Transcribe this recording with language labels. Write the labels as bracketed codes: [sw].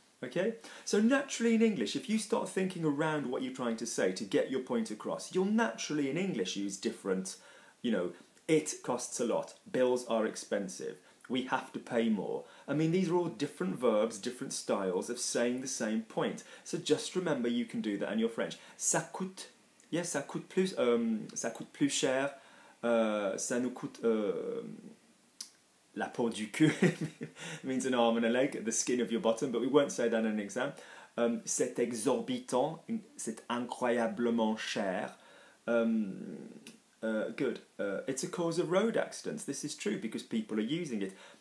[en] Okay, so naturally in English, if you start thinking around what you're trying to say to get your point across, you'll naturally in English use different, you know, it costs a lot, bills are expensive, we have to pay more. I mean, these are all different verbs, different styles of saying the same point. So just remember you can do that in your French. [fr] Ça coûte, [en] yes, yeah, [fr] ça coûte plus cher, ça nous coûte... La peau du cul [en] means an arm and a leg, the skin of your bottom, but we won't say that in an exam. [fr] C'est exorbitant, c'est incroyablement cher. [en] Good. It's a cause of road accidents. This is true because people are using it.